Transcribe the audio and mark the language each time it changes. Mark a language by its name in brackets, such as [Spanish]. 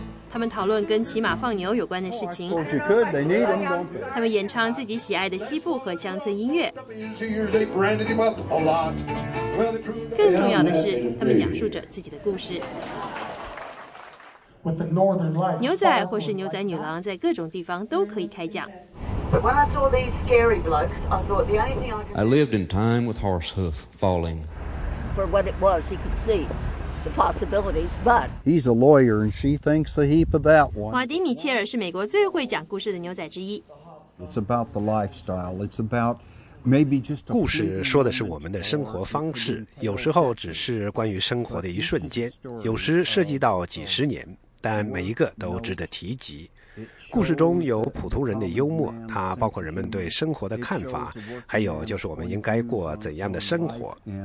[Chinese] 他们讨论跟骑马放牛有关的事情，他们演唱自己喜爱的西部和乡村音乐，更重要的是他们讲述着自己的故事。牛仔或是牛仔女郎在各种地方都可以开讲。 [English] I lived in time with horse hoof falling. For what it was, he could see the possibilities, but he's a lawyer and she thinks a heap of that one. [Chinese] 华迪米切尔是美国最会讲故事的牛仔之一。 [English] It's about the lifestyle. It's about maybe just a [Chinese] 故事说的是我们的生活方式，有时候只是关于生活的一瞬间，有时涉及到几十年。但每一个都值得提及。故事中有普通人的幽默，它包括人们对生活的看法，还有就是我们应该过怎样的生活。